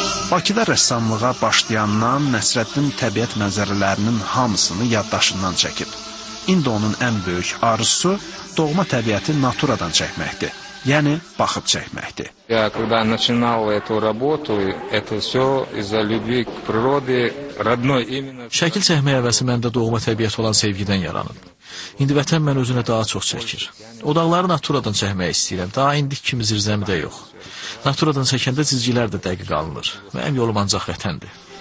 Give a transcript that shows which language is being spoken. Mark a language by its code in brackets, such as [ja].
[az] Bakıda rəssamlığa başlayandan Nəsrəddin təbiət mənzərələrinin hamısını yaddaşından çəkib. İndi onun ən böyük arzusu doğma təbiəti naturadan çəkməkdir, yəni baxıb çəkməkdir. [ru] Я когда начинал эту работу, это всё из-за любви к природе, родной именно. [az] Şəkil çəkməyə həvəsi məndə doğma təbiət olan sevgidən yaranıb. İndi vətən mən özünə daha çox çəkir. O dağları naturadan çəkmək istəyirəm. Daha indik kimi zirzəmi də yox. Naturadan çəkəndə cizgilər də dəqiq alınır. Mənim yolum ancaq vətəndir.